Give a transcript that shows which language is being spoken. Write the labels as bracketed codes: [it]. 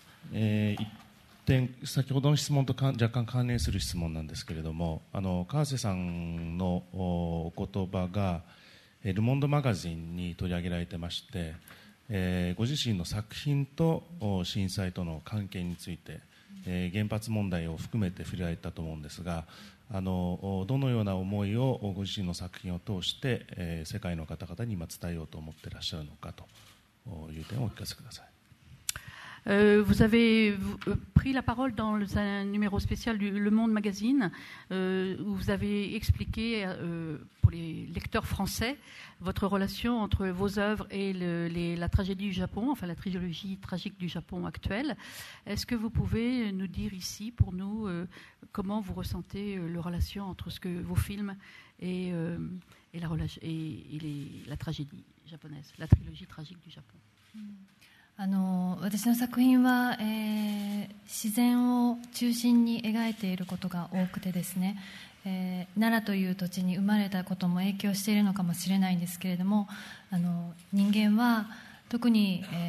[ja] 一点、先ほどの質問と若干関連する質問なんですけれども、川瀬さんのお言葉がルモンドマガジンに取り上げられてまして、ご自身の作品と震災との関係について、原発問題を含めて触れられたと思うんですが、どのような思いをご自身の作品を通して、世界の方々に今伝えようと思ってらっしゃるのかという点をお聞かせください。 [fr] Vous avez pris la parole dans un numéro spécial du Le Monde magazine où vous avez expliqué pour les lecteurs français votre relation entre vos œuvres et la tragédie du Japon, enfin la trilogie tragique du Japon actuelle. Est-ce que vous pouvez nous dire ici pour nous comment vous ressentez la relation entre vos films la tragédie japonaise, la trilogie tragique du Japon? [ja] 私の作品は、自然を中心に描いていることが多くてですね、奈良という土地に生まれたことも影響しているのかもしれないんですけれども、人間は特に、